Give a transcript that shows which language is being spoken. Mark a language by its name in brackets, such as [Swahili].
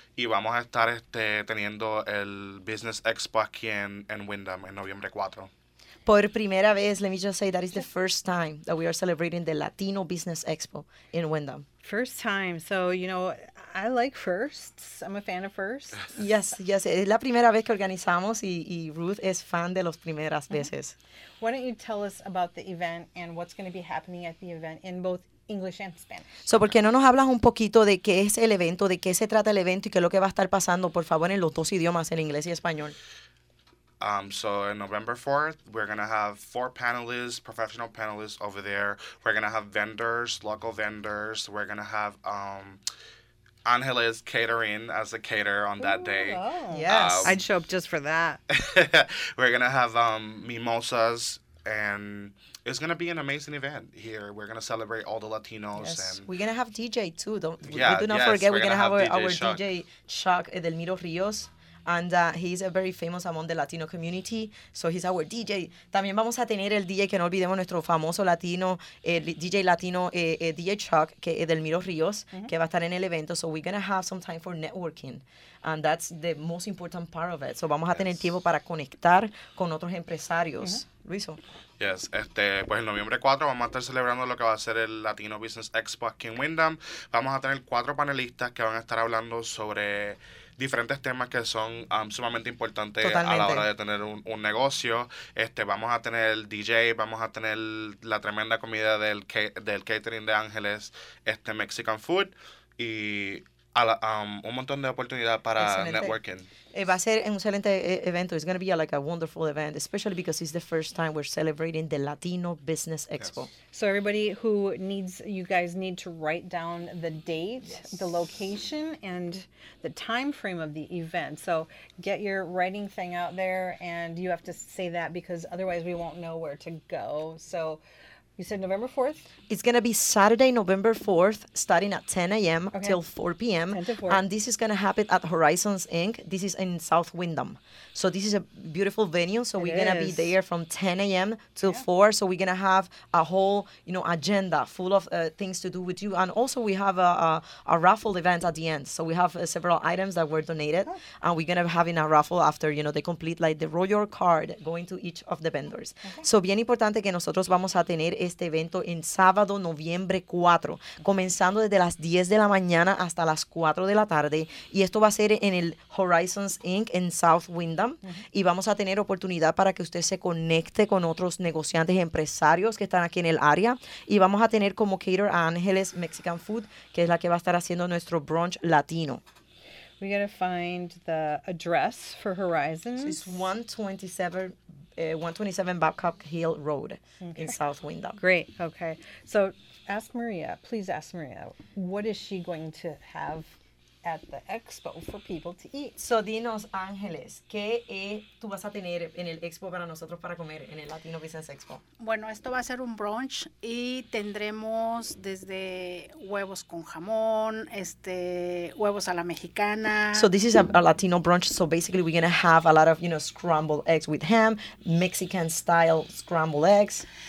[Spanish] Y vamos a estar teniendo el Business Expo aquí en Windham en noviembre 4. Por primera vez, [English] let me just say that is the first time that we are celebrating the Latino Business Expo in Windham. First time. So, I like firsts. I'm a fan of firsts. Yes. [Spanish] Es la primera vez que organizamos y Ruth es fan de las primeras veces. Mm-hmm. [English] Why don't you tell us about the event and what's going to be happening at the event in both English and Spanish? [Spanish] So, ¿por qué no nos hablas un poquito de qué es el evento, de qué se trata el evento y qué es lo que va a estar pasando, por favor, en los dos idiomas, en inglés y español? [English] So on November 4th, we're going to have four panelists, professional panelists over there. We're going to have vendors, local vendors. We're going to have Angeles catering as a caterer on that day. Wow. Yes, I'd show up just for that. We're going to have mimosas, and it's going to be an amazing event here. We're going to celebrate all the Latinos. Yes. And we're going to have DJ too. Forget we're going to have our Chuck. DJ Chuck Edelmiro Rios. And he's a very famous among the Latino community, so he's our DJ. [Spanish] También vamos a tener el DJ, que no olvidemos, nuestro famoso Latino, DJ Latino, DJ Chuck, que es Edelmiro Ríos, mm-hmm, que va a estar en el evento. [English] So we're going to have some time for networking, and that's the most important part of it. [Spanish] So vamos a tener tiempo para conectar con otros empresarios. Mm-hmm. Luiso. Yes, pues el noviembre 4 vamos a estar celebrando lo que va a ser el Latino Business Expo aquí en Windham. Vamos a tener cuatro panelistas que van a estar hablando sobre diferentes temas que son sumamente importantes. Totalmente. A la hora de tener un negocio. Vamos a tener el DJ, vamos a tener la tremenda comida del catering de Ángeles, Mexican Food, y un montón de oportunidad para excelente [English] networking. [Spanish] Va a ser un excelente evento. [English] It's going to be a wonderful event, especially because it's the first time we're celebrating the Latino Business Expo. Yes. So everybody who needs, you guys need to write down the date, yes, the location, and the time frame of the event. So get your writing thing out there, and you have to say that because otherwise we won't know where to go. So You said November 4th? It's going to be Saturday, November 4th, starting at 10 a.m. Okay. till 4 p.m. And this is going to happen at Horizons, Inc. This is in South Windham. So this is a beautiful venue. So we're going to be there from 10 a.m. till 4. So we're going to have a whole, you know, agenda full of things to do with you. And also we have a raffle event at the end. So we have several items that were donated. Huh. And we're going to be having a raffle after, you know, they complete, like, the royal card going to each of the vendors. Okay. [Spanish] So bien importante que nosotros vamos a tener este evento en sábado, noviembre 4, comenzando desde las 10 de la mañana hasta las 4 de la tarde, y esto va a ser en el Horizons Inc. en South Windham. Uh-huh. Y vamos a tener oportunidad para que usted se conecte con otros negociantes, empresarios que están aquí en el área, y vamos a tener como cater a Ángeles Mexican Food, que es la que va a estar haciendo nuestro brunch latino. [English] We gotta find the address for Horizons. So it's 127 Babcock Hill Road, okay, in South Windham. Great. Okay. So ask Maria, please ask Maria, what is she going to have at the expo for people to eat? [Spanish] So dinos, Ángeles, ¿qué tú vas a tener en el expo para nosotros para comer en el Latino Business Expo? Bueno, esto va a ser un brunch y tendremos desde huevos con jamón, huevos a la mexicana. [English] So this is a Latino brunch, so basically we're going to have a lot of, you know, scrambled eggs with ham, Mexican style scrambled eggs.